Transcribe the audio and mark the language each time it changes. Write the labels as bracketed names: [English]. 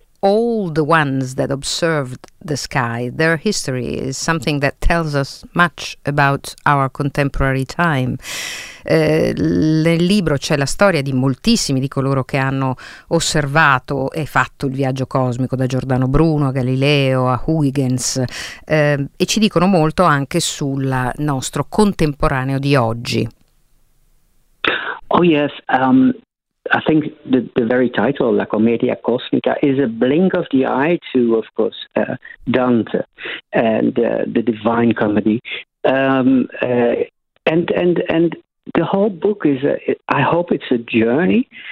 [English] all the ones that observed the sky, their history is something that tells us much about our contemporary time. [Italian] Nel libro c'è la storia di moltissimi di coloro che hanno osservato e fatto il viaggio cosmico, da Giordano Bruno a Galileo a Huygens, e ci dicono molto anche sul nostro contemporaneo di oggi. [English] Oh yes, I think the very title, La Commedia Cosmica, is a blink of the eye to, of course, Dante and the Divine Comedy. And the whole book is, I hope it's a journey.